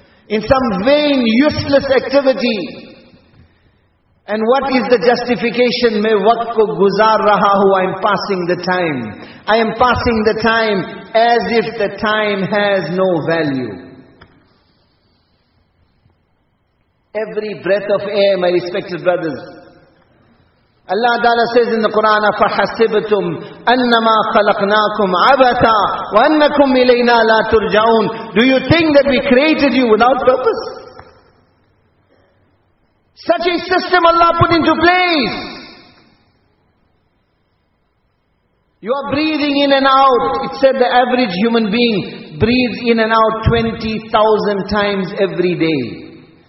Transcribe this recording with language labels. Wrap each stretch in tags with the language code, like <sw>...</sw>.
<en>In some vain, useless activity. And what is the justification?</en> <ur>Main waqt ko guzar raha hu,</ur> <en>I am passing the time. I am passing the time as if the time has no value. Every breath of air, my respected brothers. Allah Ta'ala says in the Quran,</en> <ar>فَحَسِبْتُمْ أَنَّمَا خَلَقْنَاكُمْ عَبَثًا وَأَنَّكُمْ إِلَيْنَا لَا تُرْجَعُونَ.</ar> <en>Do you think that we created you without purpose? Such a system Allah put into place. You are breathing in and out. It said the average human being breathes in and out 20,000 times every day.</en>